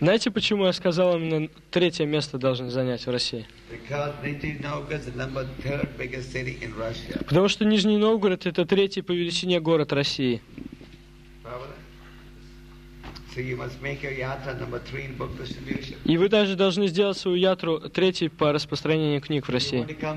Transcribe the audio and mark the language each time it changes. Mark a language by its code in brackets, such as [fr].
[ru] Знаете, почему я сказал именно 3-е место должны занять в России? [en] Because Nizhny Novgorod is the number 3rd biggest city in Russia. [ru] Потому что Нижний Новгород — это 3-й по величине город России. [en] So you must make your yatra number 3 in book distribution. [ru] И вы даже должны сделать свою ятру 3-й по распространению книг в России.